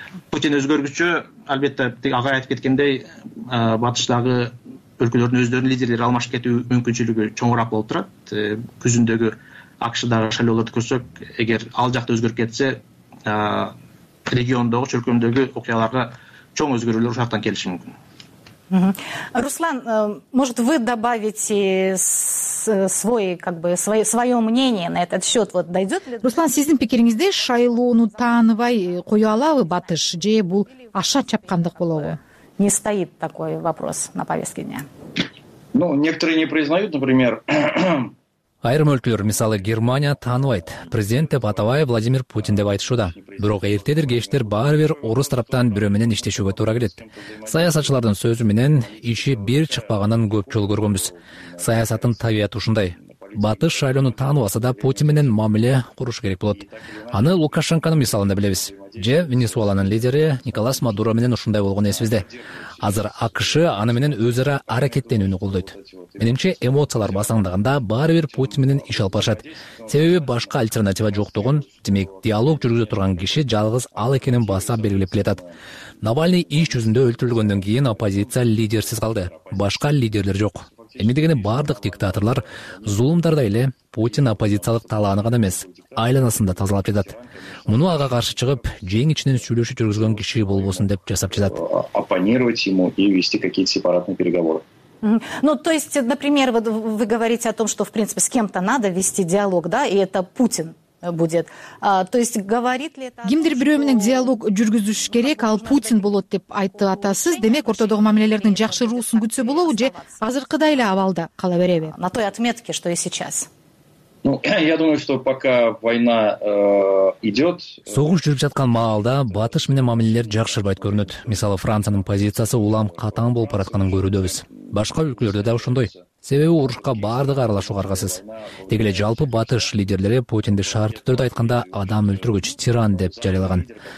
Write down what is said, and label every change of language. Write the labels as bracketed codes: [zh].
[ky] Путин өзгөргүчө, албетте ага айтып кеткендей, батыштагы өлкөлөрдүн өздөрүнүн лидерлери алмашып кетүү мүмкүнчүлүгү чоңураак болуп турат. Күзүндөгү АКШ-дагы шайлоолорду көрсөк, эгер ал жакта өзгөрүп кетсе, региондогу чөлкөмдөгү окуяларга чоң өзгөрүүлөр ушактан келиши мүмкүн. [ru] Руслан, может вы добавите свой, как бы, свое мнение на этот счет? Вот дойдет ли? [ky] Руслан, сиздин пикириңизде шайлоону таанывай кое алабы батыш же бул аша чапкандык болобу? [ru] Не стоит такой вопрос на повестке дня. Ну, некоторые не признают, например, [ky] Айрым өлкөлөр, мисалы Германия, тааныбайт. Президент деп атабай, Владимир Путин деп айтышууда. Бирок эртедир кечтер баары бир орус тараптан бирөө менен иштешүүгө туура келет. Саясатчылардын сөзү менен иши бир чыкпаганын көп жолу көргөнбүз. Саясатын табияты ушундай. Батыш шайлоону тааныбаса да Путин менен мамиле куруш керек болот. Аны Лукашенконун мисалында билебиз. Же Венесуэланын лидери Николас Мадуро менен ушундай болгон эсибизде. Азыр АКШ аны менен өз ара аракеттенүүнү колдойт. Менимче эмоциялар басаңдаганда баары бир Путин менен иш алпашат. Себеби башка альтернатива жоктугун, демек диалог жүргүзө турган киши жалгыз ал экенин баса белгилеп келатат. Навальный иш жүзүндө өлтүрүлгөндөн кийин оппозиция лидерсиз калды. Башка лидерлер жок. Эми дегени бардык диктаторлор зулумдардай эле Путин оппозициялык талааны гана эмес, айланасында тазалап жатат. Муну ага каршы чыгып, жең ичинен сүйлөшүп жүргүзгөн киши болбосун деп жасап жатат. [ru] Оппонировать ему и вести какие-то сепаратные переговоры. Ну, то есть, например, вы говорите о том, что, в принципе, с кем-то надо вести диалог, да, и это Путин. Будет. То есть говорит ли это [ky] кимдир бирөө менен диалог жүргүзүш керек, ал Путин болот деп айтты атасыз. Демек, ортодогу мамилелердин жакшыруусун күтсө болобу же азыркыдай эле абалда кала береби? [ru] На той отметке, что и сейчас. Ну, я думаю, что пока война идет... [ky] Согуш жүрүп жаткан маалда батыш менен мамилелер жакшырбайт көрүнөт. Мисалы, Франциянын позициясы улам катаң болуп баратканын көрүүдөбүз. Башка өлкөлөрдө да ошондой. Себеби урушка баардыгы аралашууга аргасыз. Деги эле жалпы батыш лидерлери Путинди шарттуу түрдө айтканда адам өлтүргүч тиран деп жарыялаган.